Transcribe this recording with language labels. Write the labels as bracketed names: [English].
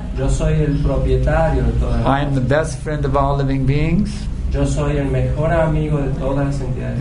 [Spanish] Yo soy el propietario de todas las cosas. [English] I am the best friend of all living beings. [Spanish] Yo soy el mejor amigo de todas las entidades.